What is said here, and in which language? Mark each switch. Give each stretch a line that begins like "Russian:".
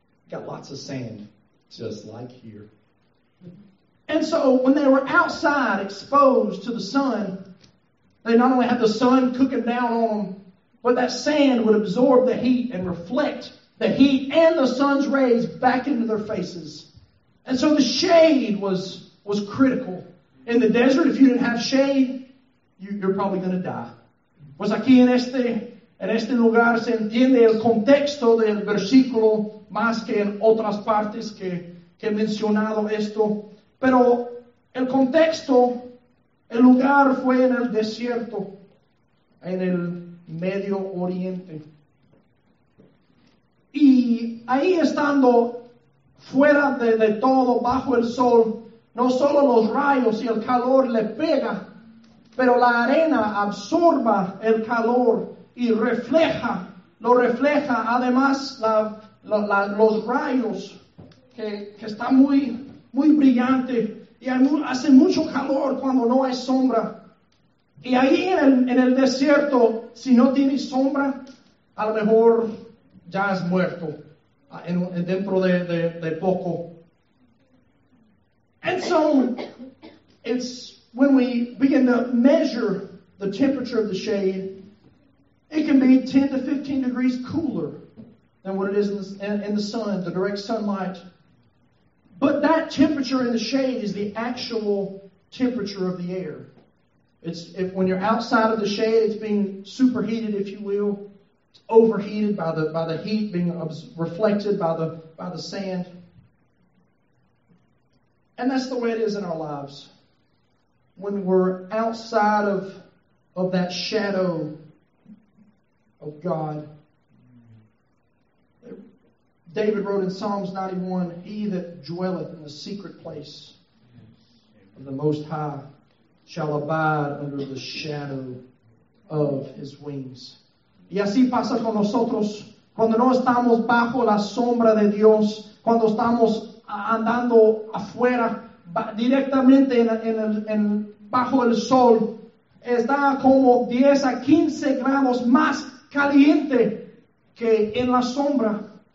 English: Got lots of sand, just like here. And so when they were outside exposed to the sun, they not only had the sun cooking down on them, but that sand would absorb the heat and reflect the heat and the sun's rays back into their faces. And so the shade was critical. In the desert, if you didn't have shade, you're probably going to die.
Spanish: Pues aquí en este lugar se entiende el contexto del versículo más que en otras partes que he mencionado esto. Pero el contexto, el lugar fue en el desierto, en el Medio Oriente. Y ahí estando fuera de todo, bajo el sol, no solo los rayos y el calor le pega, pero la arena absorba el calor y refleja además los rayos, que está muy, muy brillante y hace mucho calor cuando no hay sombra. Y ahí en el desierto, si no tienes sombra, a lo mejor ya has muerto dentro de poco.
English: And so, it's when we begin to measure the temperature of the shade, it can be 10 to 15 degrees cooler than what it is in the sun, the direct sunlight. But that temperature in the shade is the actual temperature of the air. If when you're outside of the shade, it's being superheated, if you will. It's overheated by the heat being reflected by the sand. And that's the way it is in our lives. When we're outside of that shadow of God. David wrote in Psalms 91, "He that dwelleth in the secret place of the Most High shall abide under the shadow of His wings."
Spanish: Y así pasa con nosotros cuando no estamos bajo la sombra de Dios, cuando estamos andando afuera, directamente en bajo el sol, está como 10 a 15 grados más caliente que en la sombra.